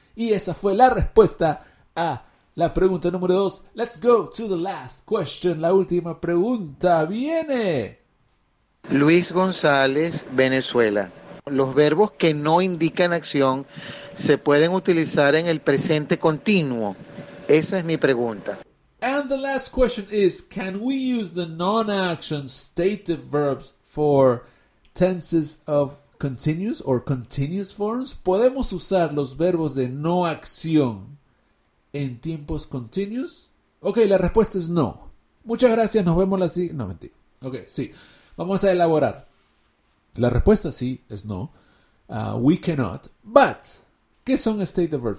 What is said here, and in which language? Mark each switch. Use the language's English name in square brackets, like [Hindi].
[Spanish] Y esa fue la respuesta a la pregunta número 2. [English] Let's go to the last question. [Spanish] La última pregunta viene. Luis González, Venezuela. Los verbos que no indican acción se pueden utilizar en el presente continuo. Esa es mi pregunta. [English] And the last question is, can we use the non-action stative verbs for tenses of continuous or continuous forms? [Spanish] ¿Podemos usar los verbos de no acción en tiempos continuos? Ok, la respuesta es no. Muchas gracias, nos vemos la siguiente. No, mentira. Ok, sí. Vamos a elaborar. La respuesta sí es no. [English] We cannot. But, [Spanish] ¿qué son stative verbs?